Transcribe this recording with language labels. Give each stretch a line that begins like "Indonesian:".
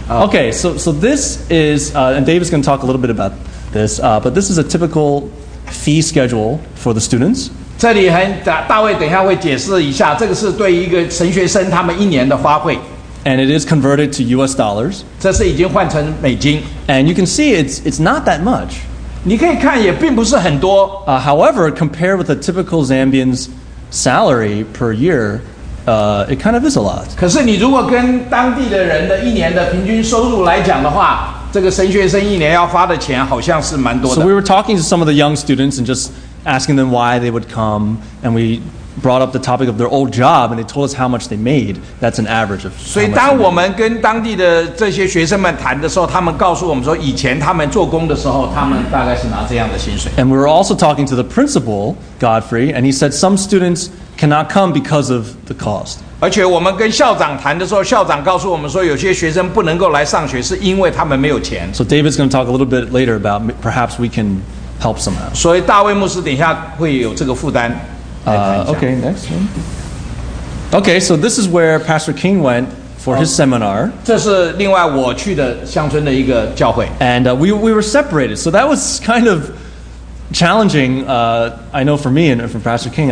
English: Okay, so this is, and David's going to talk a little bit about this, but this is a typical fee schedule for the students.
Chinese: 这里很大卫等一下会解释一下，这个是对一个神学生他们一年的花费。
English: And it is converted to US dollars.
Chinese: 这是已经换成美金。
English: And you can see it's not that much.
Chinese: 你可以看也并不是很多。
English: However, compared with a typical Zambian's salary per year, it kind of is a lot.
Chinese: 可是你如果跟当地的人的一年的平均收入来讲的话。
English: So we were talking to some of the young students and just asking them why they would come, and we brought up the topic of their old job, and they told us how much they made. That's an average of.
Chinese: 所以当我们跟当地的这些学生们谈的时候，他们告诉我们说，以前他们做工的时候，他们大概是拿这样的薪水。
English: And we're also talking to the principal, Godfrey, and he said some students cannot come because of the cost.
Chinese: 而且我们跟校长谈的时候，校长告诉我们说，有些学生不能够来上学，是因为他们没有钱。
English: So David's going to talk a little bit later about perhaps we can help somehow.
Chinese: 所以大卫牧师等一下会有这个负担。
English: Okay, next one. Okay, so this is where Pastor King went for his seminar.
Chinese: 这是另外我去的乡村的一个教会。
English: And we were separated, so that was kind of challenging, I know for me and for Pastor King.